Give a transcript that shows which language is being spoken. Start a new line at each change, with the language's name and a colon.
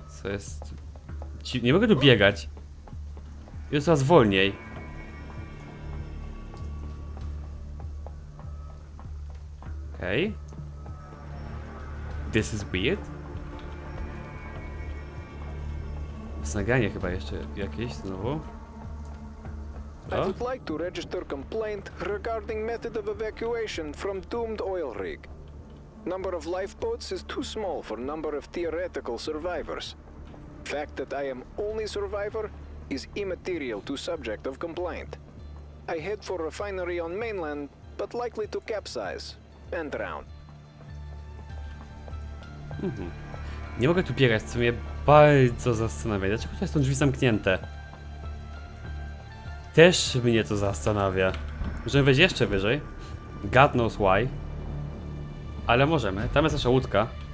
Polish: Co jest... Nie mogę tu biegać. Jest coraz wolniej.
English: Okej. Okay. This is weird.
Polish: Jest nagranie chyba jeszcze jakieś znowu.
English: I would like to register complaint regarding method of evacuation from doomed oil rig. Number of lifeboats is too small for number of theoretical survivors. Fact that I am only survivor is immaterial to subject of complaint. I head for refinery on mainland, but likely to capsize and drown.
Polish: Nie mogę tu biegać, co mnie bardzo zastanawia. Dlaczego to jest drzwi zamknięte? Też mnie to zastanawia. Możemy wejść jeszcze wyżej.
English: God knows why.
Polish: Ale możemy. Tam jest nasza łódka.